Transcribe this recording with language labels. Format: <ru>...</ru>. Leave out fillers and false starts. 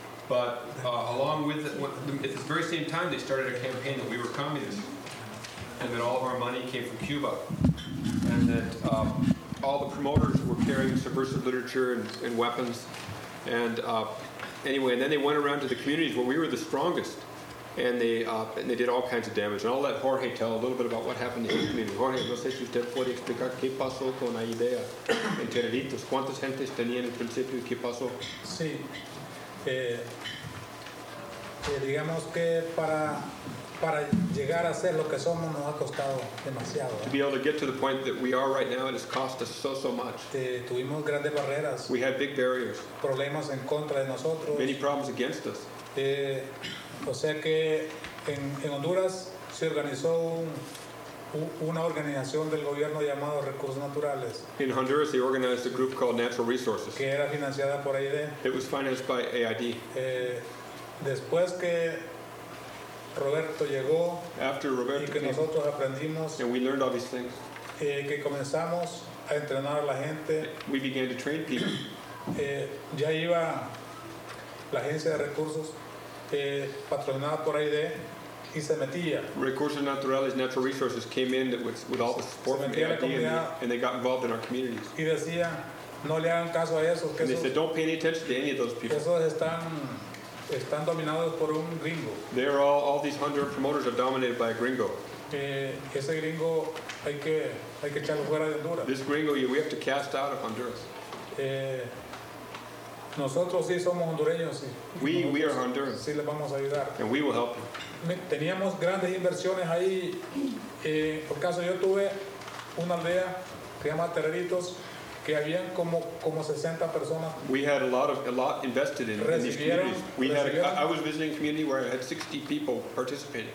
<en>But along with it, at the very same time, they started a campaign that we were communists and that all of our money came from Cuba and that all the promoters were carrying subversive literature and weapons. And and then they went around to the communities where we were the strongest and they did all kinds of damage. And I'll let Jorge tell a little bit about what happened to his community.</en> <es>Jorge, no sé si usted puede explicar qué pasó con la idea en Tenerito. ¿Cuántas gentes tenían en principio y qué pasó? Sí. Digamos que para llegar a ser lo que somos nos ha costado demasiado.</es> <en>To be able to get to the point that we are right now, it has cost us so much.</en> <es>Tuvimos grandes barreras.</es> <en>We had big barriers.</en> <es>Problemas en contra de nosotros.</es> <en>Many problems against us.</en> <es>O sea que en Honduras se organizó una organización del gobierno llamado Recursos Naturales.</es> <en>In Honduras, they organized a group called Natural Resources.</en> <es>Que era financiada por AID.</es> <en>It was financed by AID.</en> <es>Después que Roberto llegó,</es> <en>after Roberto</en> <es>y que</es> <en>came,</en> <es>nosotros aprendimos,</es> <en>and we learned all these things,</en> <es>que comenzamos a entrenar a la gente,</es> <en>we began to train people.</en> <es>Ya iba la agencia de recursos. Patrocinada por AID y se metía.</es> <en>Recursos Naturales, Natural Resources came in with all the support from AID and they got involved in our communities.</en> <es>Y decía, no le hagan caso a esos.</es> <en>And they said, don't pay any attention to any of those people.</en> <es>Esos están dominados por un gringo.</es> <en>They're all these 100 promoters are dominated by a gringo.</en> <es>Ese gringo hay que echarlo fuera de Honduras.</es> <en>This gringo, we have to cast out of Honduras.</en> <es>Nosotros sí somos hondureños, sí.</es> <en>We are Hondurans.</en> <es>Sí, les vamos a ayudar.</es> <en>And we will help you.</en> <es>Teníamos grandes inversiones ahí. Por caso, yo tuve una aldea que se llama Terreritos, que habían como 60 personas.</es> <en>We had a lot invested in these communities. I was visiting a community where I had 60 people participating.</en>